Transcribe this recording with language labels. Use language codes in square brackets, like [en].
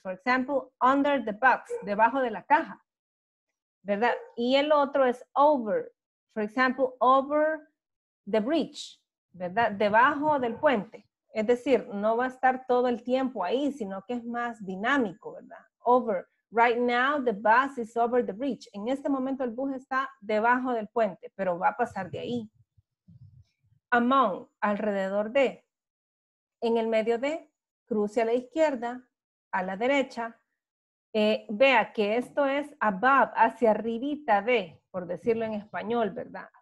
[en] For example, under the box, [es] debajo de la caja, ¿verdad? Y el otro es [en] over. For example, over the bridge, ¿verdad? [es] Debajo del puente. Es decir, no va a estar todo el tiempo ahí, sino que es más dinámico, ¿verdad? [en] Over. Right now, the bus is over the bridge. [es] En este momento, el bus está debajo del puente, pero va a pasar de ahí. Among, alrededor de, en el medio de, cruce a la izquierda, a la derecha. Vea que esto es above, hacia arribita de, por decirlo en español, ¿verdad?